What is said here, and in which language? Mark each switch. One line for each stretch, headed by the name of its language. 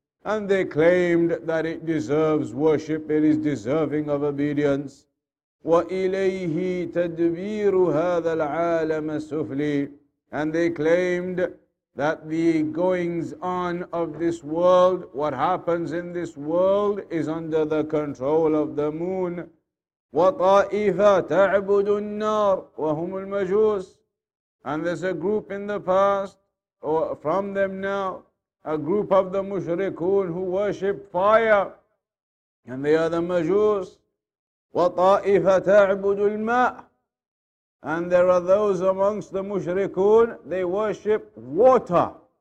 English: And they claimed that it deserves worship, it is deserving of obedience.
Arabic: وَإِلَيْهِ تَدْبِيرُ هَذَا الْعَالَمَ السُّفْلِي.
English: And they claimed that the goings on of this world, what happens in this world, is under the control of the moon.
Arabic: وطائفة تعبد النار وهم المجوس.
English: And there's a group in the past, or from them now, a group of the mushrikun who worship fire, and they are the majus.
Arabic: وطائفة تعبد الماء,
English: and there are those amongst the mushrikun, they worship water.